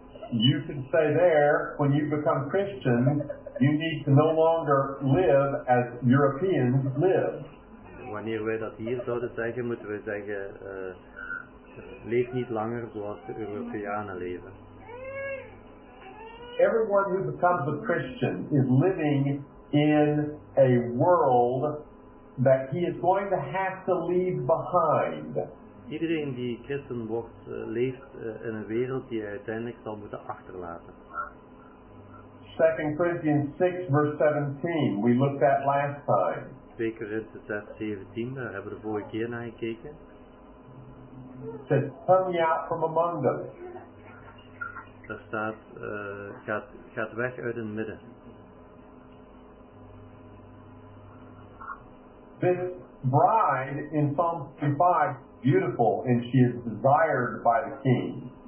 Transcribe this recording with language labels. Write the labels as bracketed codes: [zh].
[en] You can say there, when you become Christian, you need to no longer live as Europeans live. [nl] Wanneer wij dat hier zouden zeggen, moeten we zeggen, leef niet langer zoals de Europeanen leven. [en] Everyone who becomes a Christian is living in a world that he is going to have to leave behind. [nl] Iedereen die Christen wordt, leeft in een wereld die hij uiteindelijk zal moeten achterlaten. [en] 2 Corinthians 6, verse 17, we looked at last time. [nl] 2 Corinthians 6, 17, daar hebben we de vorige keer naar gekeken. [en] It says, come ye out from among them. [nl] Daar staat, gaat weg uit het midden. [en] This bride in Psalm 5, beautiful, and she is desired by the king.